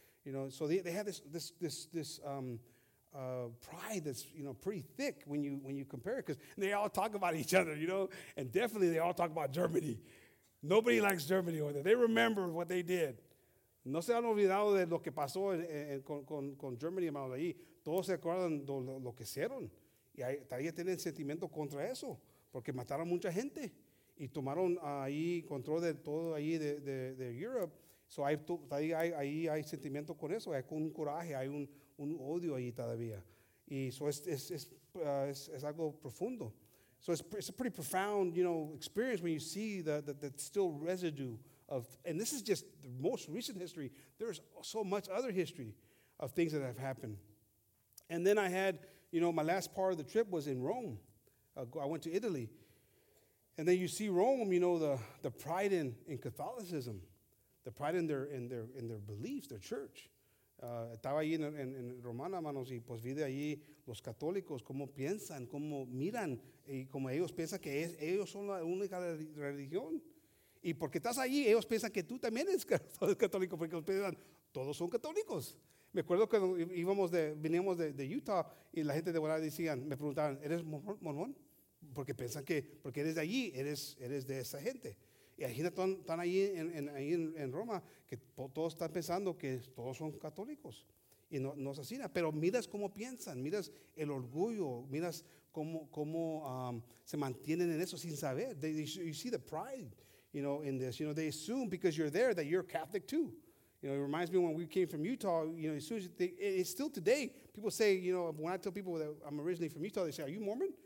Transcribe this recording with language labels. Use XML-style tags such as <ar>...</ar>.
<en>You know, so they have this pride that's, you know, pretty thick when you compare it, because they all talk about each other, you know, and definitely they all talk about Germany. Nobody likes Germany over there. They remember what they did.</en> <es>No se han olvidado de lo que pasó con Germany, hermanos, ahí. Todos se acuerdan de lo que hicieron. Y ahí todavía tienen sentimiento contra eso, porque mataron mucha gente y tomaron ahí control de todo ahí de Europe. So ahí hay sentimiento con eso, hay un coraje, hay un odio ahí todavía. Y eso es algo profundo.</es> <en>So it's a pretty profound, you know, experience when you see the still residue of, and this is just the most recent history. There's so much other history of things that have happened. And then I had, you know, my last part of the trip was in Rome. I went to Italy. And then you see Rome, you know, the pride in Catholicism, the pride in their beliefs, their church.</en> <es>Estaba allí en Romana, manos, y pues vi de allí los católicos, cómo piensan, cómo miran, y cómo ellos piensan que ellos son la única religión. Y porque estás allí, ellos piensan que tú también eres católico, porque piensan, todos son católicos. Me acuerdo cuando veníamos de Utah, y la gente de Guadalajara decían, me preguntaban, ¿eres mormón? Porque piensan que, porque eres de allí, eres de esa gente. Y ahí están ahí en Roma, que todos están pensando que todos son católicos. Y no es así, pero miras cómo piensan, miras el orgullo, miras cómo se mantienen en eso sin saber.</es> <en>You see the pride, you know, in this. You know, they assume because you're there that you're Catholic too. You know, it reminds me when we came from Utah, you know, as soon as it's still today, people say, you know, when I tell people that I'm originally from Utah, they say, are you Mormon?</en>